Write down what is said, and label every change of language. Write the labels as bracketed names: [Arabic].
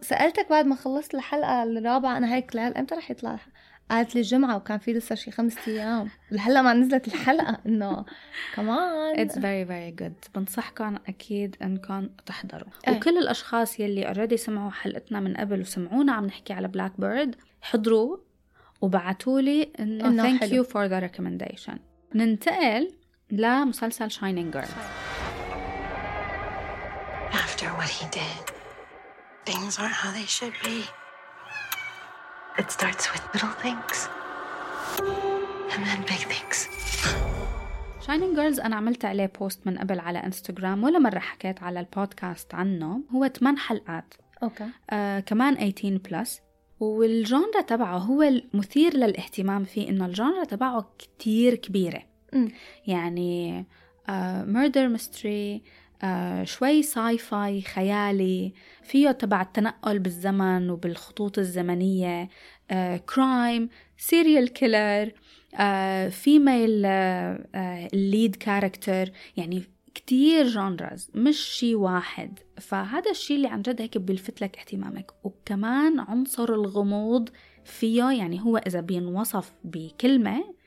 [Arabic] سألتك بعد ما خلصت الحلقة الرابعة أنا هيك لهلأ امتى رح يطلع قالت لي الجمعة وكان فيه لسه شي 5 أيام لهلأ ما نزلت الحلقة إنه كمان [English] it's very very good [Arabic] بنصحكم أكيد إنكم تحضروا وكل الأشخاص يلي already سمعوا حلقتنا من قبل وسمعونا عم نحكي على Blackbird حضروا وبعتولي إنه thank حلو. [English] You for the recommendation [Arabic] ننتقل لمسلسل [English] Shining Girl After what he did things aren't how they should be It starts with little things and then big things. [Arabic] Shining Girls أنا عملت عليه بوست من قبل على إنستغرام ولا مرة حكيت على البودكاست عنه. هو 8 حلقات. أوكي. كمان 18 plus. والجانرة تبعه هو المثير للاهتمام فيه إنه الجانرة تبعه كتير كبيرة. [English] يعني murder mystery. [Arabic] شوي ساي فاي خيالي فيه تبع التنقل بالزمن وبالخطوط الزمنية كرايم سيريال كيلر فيميل ليد كاركتر يعني كتير جانرز مش شي واحد فهذا الشي اللي عن جد هيك بيلفت لك اهتمامك وكمان عنصر الغموض فيه يعني هو إذا بينوصف بكلمة